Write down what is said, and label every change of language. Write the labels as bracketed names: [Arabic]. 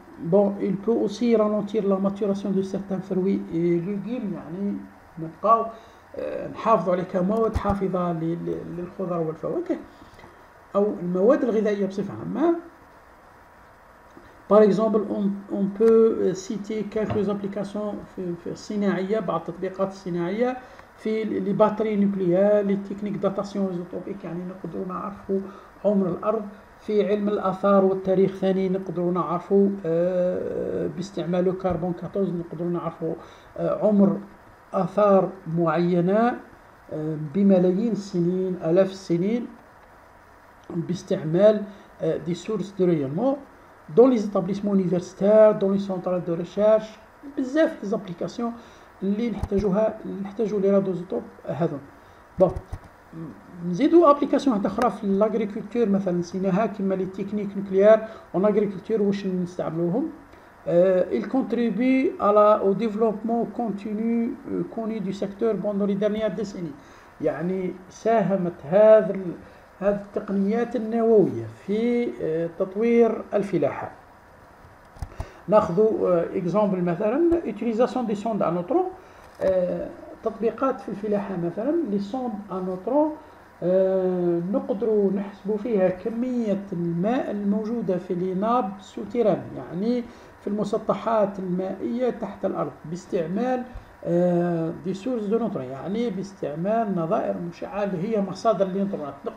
[Arabic] بون [French] il peut aussi ralentir la maturation de certains fruits et légumes [Arabic] يعني نبقاو نحافظوا على كمواد حافظه للخضر والفواكه او المواد الغذائيه بصفه عامه. [French] Par exemple, on peut citer quelques applications cinéaires, [Arabic] بعض التطبيقات الصناعية في [French] les batteries nucléaires, les techniques datation isotopique, [Arabic] يعني نقدروا نعرفوا عمر الأرض. في علم الآثار والتاريخ ثاني نقدروا نعرفوا باستعمال كربون 14 نقدروا نعرفوا عمر آثار معينة بملايين السنين آلاف السنين باستعمال [French] دي سورس دو ريونمون. Dans les établissements universitaires, dans les centres de recherche, [Arabic] بزاف لي زابليكاسيون اللي نحتاجو لي راديوزوتوب هذوما. بون نزيدو ابليكاسيون واحده اخرى في لاغريكولتور مثلا نسيناها كيما [French] لي تكنيك نوكليار اون اغريكولتور [Arabic] واش نستعملوهم. [French] Il contribue au développement continu connu du secteur pendant les dernières décennies. [Arabic] يعني ساهمت هذه التقنيات النووية في تطوير الفلاحة. ناخذوا اكزامبل مثلا [French] utilisation des sondes à neutrons [Arabic] تطبيقات في الفلاحة مثلا لي سوند à neutrons نقدروا نحسبوا فيها كمية الماء الموجودة في لي ناب سوتيران يعني في المسطحات المائية تحت الأرض باستعمال [French] دي سورس دو نوترون [Arabic] يعني باستعمال نظائر مشعة اللي هي مصادر النيوترونات.